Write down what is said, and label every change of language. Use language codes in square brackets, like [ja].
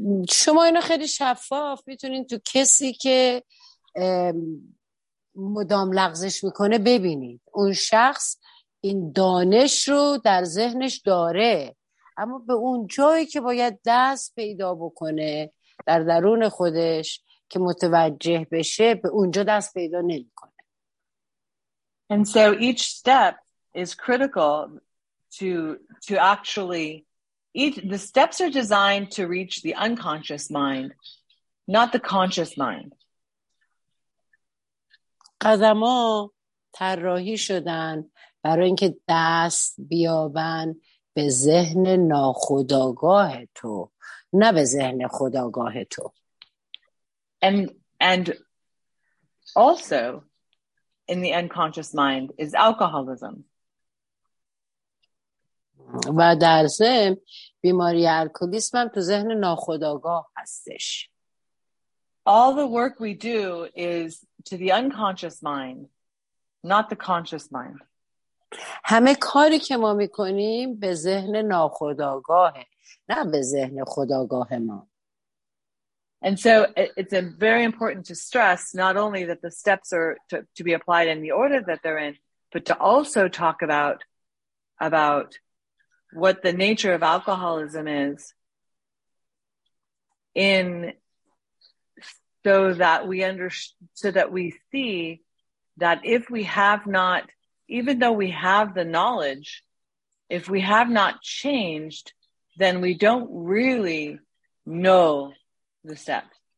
[fa] شما اینو خیلی شفاف میتونین تو کسی که مدام لغزش میکنه ببینید. اون شخص این دانش رو در ذهنش داره اما به اون جایی که باید دست پیدا بکنه در درون خودش که متوجه بشه به اونجا دست پیدا نمیکنه. [en] And so each step is critical to actually each, the steps are designed to reach the unconscious mind, not the conscious mind. [fa] قدم ها طراحی شدن برای اینکه دست بیابن به ذهن ناخودآگاه تو نه به ذهن خودآگاه تو. [en] And also in the unconscious mind is alcoholism. [fa] و در ضمن بیماری الکلیسم هم تو ذهن ناخودآگاه هستش. [en] All the work we do is to the unconscious mind, not the conscious mind. [fa] همه کاری که ما میکنیم به ذهن ناخودآگاهه نه به ذهن خودآگاه ما. [en] And so it's very important to stress not only that the steps are to be applied in the order that they're in, but to also talk about what the nature of alcoholism is in so that we see that if we have not, even though we have the knowledge, if we have not changed, then we don't really know the steps.